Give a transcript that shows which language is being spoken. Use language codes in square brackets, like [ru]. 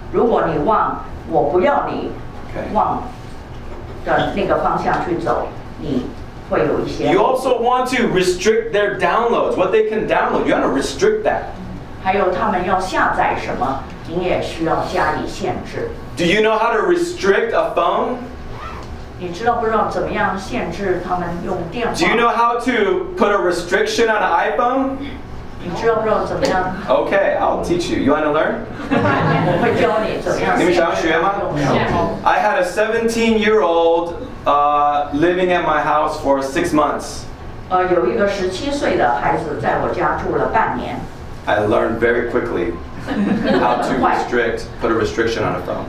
[zh] 如果你往我不要你往的那个方向去走，你。 [en] You also want to restrict their downloads, what they can download. You want to restrict that. [zh] 还有他们要下载什么，你也需要加以限制。 [en] Do you know how to restrict a phone? [zh] 你知道不知道怎么样限制他们用电话？ [en] Do you know how to put a restriction on an iPhone? [zh] 你知道不知道怎么样？ [en] Okay, I'll teach you. You want to learn? [zh] 我会教你怎么样限制他们用电话。 [en] I had a 17-year-old. Living at my house for 6 months. [zh] 有一个十七岁的孩子在我家住了半年。 [en] I learned very quickly how to restrict, put a restriction on a phone.